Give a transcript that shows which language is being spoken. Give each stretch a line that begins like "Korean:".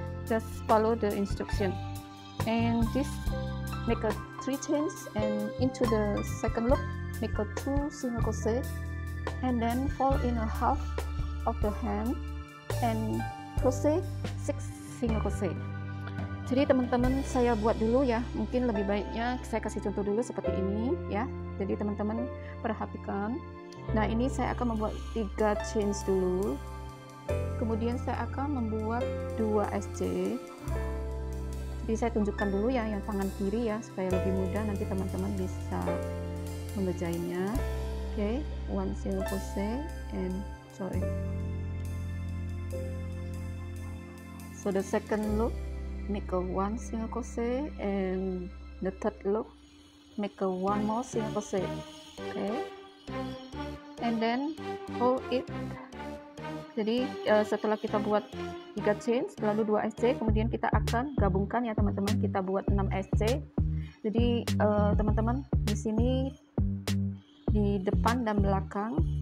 English: Just follow the instruction. And this make a 3 chains, and into the second loop, make a 2 single crochet, and then fold in a half of the hand and crochet 6 single crochet.
Indonesian: Jadi teman-teman, saya buat dulu ya, mungkin lebih baiknya saya kasih contoh dulu seperti ini ya. Jadi teman-teman perhatikan, nah ini saya akan membuat 3 chains dulu, kemudian saya akan membuat 2 SC. Jadi saya tunjukkan dulu ya yang tangan kiri ya, supaya lebih mudah nanti teman-teman bisa mengerjainya.
English: Oke, okay, 1 single crochet and join. So the second loop make a 1 single crochet, and the third loop make a 1 more single crochet. Okay. And then hold it.
Indonesian: Jadi setelah kita buat 3 chain, lalu 2 SC, kemudian kita akan gabungkan ya teman-teman, kita buat 6 SC. Jadi teman-teman di sini, di depan dan belakang.